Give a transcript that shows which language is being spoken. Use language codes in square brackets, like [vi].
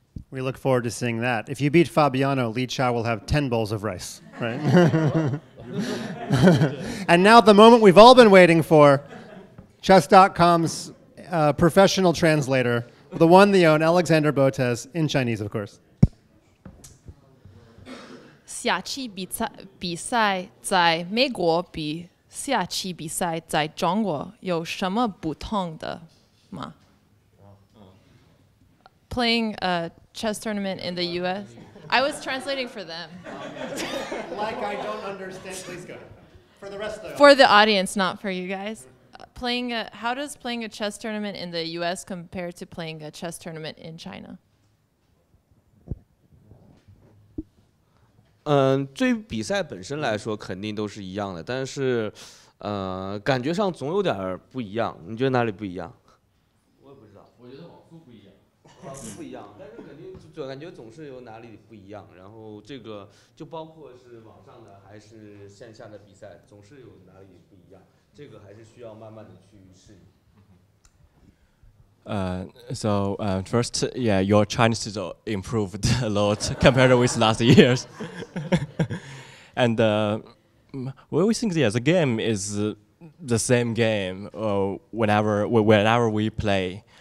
[en] We look forward to seeing that. If you beat Fabiano, Li Chao will have 10 bowls of rice, right? And now the moment we've all been waiting for, chess.com's professional translator, the one, the own, Alexander Botez, in Chinese, of course. [zh] 下期比赛在美国比下期比赛在中国有什么不同的吗？ [en] Playing a chess tournament in the U.S.? I was translating for them. Like I don't understand, please go. For the rest of the audience. For the audience, not for you guys. How does playing a chess tournament in the U.S. compare to playing a chess tournament in China? [zh] 对于比赛本身来说肯定都是一样的，但是感觉上总有点不一样。你觉得哪里不一样？我也不知道，我觉得网速不一样。网速不一样，但是肯定就感觉总是有哪里不一样，然后这个就包括是网上的还是线下的比赛，总是有哪里不一样，这个还是需要慢慢的去适应。 [en] First, yeah, your Chinese is improved a lot compared with last years. And what we think, yeah, the game is the same game whenever we play.